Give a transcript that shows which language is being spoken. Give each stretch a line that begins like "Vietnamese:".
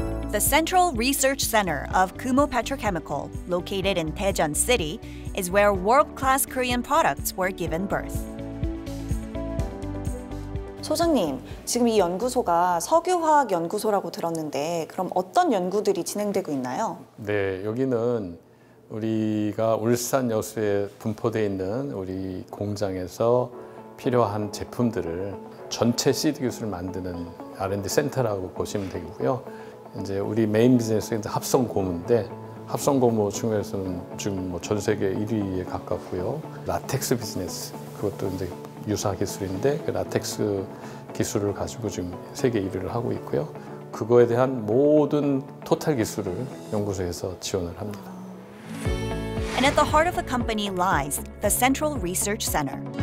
English: The Central Research Center of Kumho Petrochemical, located in Daejeon City, is where world-class Korean products were given birth.
Korean: 소장님, 지금 이 연구소가 석유화학 연구소라고 들었는데 그럼 어떤 연구들이 진행되고 있나요? 네, 여기는 우리가 울산 여수에 분포되어 있는 우리 공장에서 필요한 제품들을 전체 시드 기술을 만드는 R&D 센터라고 보시면 되고요. 이제 우리 메인 비즈니스는 합성고무인데 합성고무 중에서는 지금 뭐 전 세계 1위에 가깝고요. 라텍스 비즈니스, 그것도 이제 유사 기술인데 그 라텍스 기술을 가지고 지금 세계 1위를 하고 있고요. 그거에 대한 모든 토탈 기술을 연구소에서 지원을 합니다.
English: And at the heart of the company lies the Central Research Center.